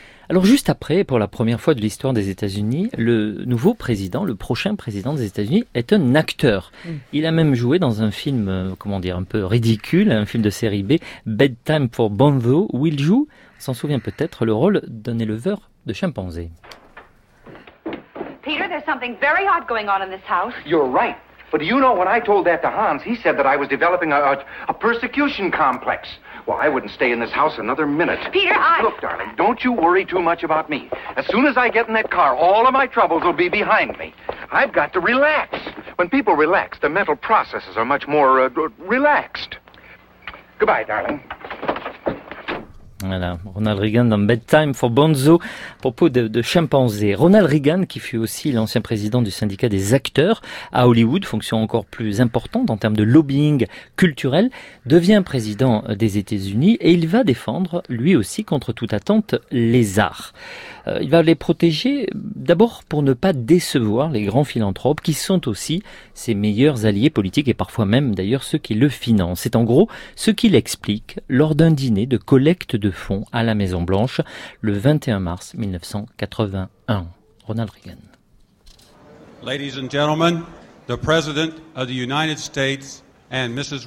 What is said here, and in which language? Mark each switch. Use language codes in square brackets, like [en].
[fr] Alors juste après, pour la première fois de l'histoire des États-Unis, le nouveau président, le prochain président des États-Unis, est un acteur. Il a même joué dans un film, comment dire, un peu ridicule, un film de série B, Bedtime for Bonzo, où il joue, on s'en souvient peut-être, le rôle d'un éleveur de chimpanzés. [en] Peter, there's something very odd going on in this house. You're right. But do you know, when I told that to Hans, he said that I was developing a persecution complex. Well, I wouldn't stay in this house another minute. Peter, Look, darling, don't you worry too much about me. As soon as I get in that car, all of my troubles will be behind me. I've got to relax. When people relax, the mental processes are much more relaxed. Goodbye, darling. [fr] Voilà, Ronald Reagan dans Bedtime for Bonzo, à propos de chimpanzés. Ronald Reagan, qui fut aussi l'ancien président du syndicat des acteurs à Hollywood, fonction encore plus importante en termes de lobbying culturel, devient président des États-Unis et il va défendre, lui aussi, contre toute attente, les arts. Il va les protéger d'abord pour ne pas décevoir les grands philanthropes qui sont aussi ses meilleurs alliés politiques et parfois même d'ailleurs ceux qui le financent. C'est en gros ce qu'il explique lors d'un dîner de collecte de fonds à la Maison Blanche le 21 mars 1981. Ronald Reagan. [en] Ladies and gentlemen, the President of the United States and Mrs.